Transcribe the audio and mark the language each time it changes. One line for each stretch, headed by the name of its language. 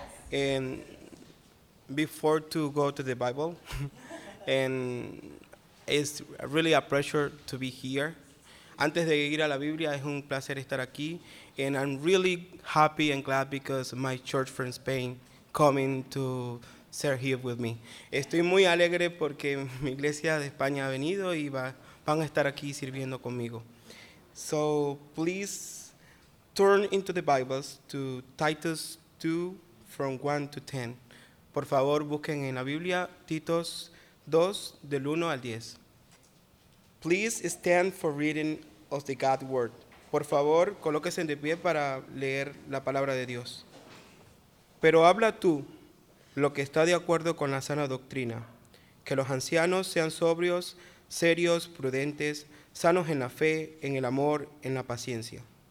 English: And before to go to the Bible, and it's really a pleasure to be here.
Spanish: Antes de ir a la Biblia, es un placer estar aquí.
English: And I'm really happy and glad because my church from Spain coming to serve here with me.
Spanish: Estoy muy alegre porque mi iglesia de España ha venido y van a estar aquí sirviendo conmigo.
English: So please turn into the Bibles to Titus 2 from 1 to 10.
Spanish: Por favor, busquen en la Biblia Titus 2 del 1 al 10.
English: Please stand for reading of the God word.
Spanish: Por favor, colóquense de pie para leer la palabra de Dios. Pero habla tú lo que está de acuerdo con la sana doctrina, que los ancianos sean sobrios, serios, prudentes, sanos en la fe, en el amor, en la paciencia.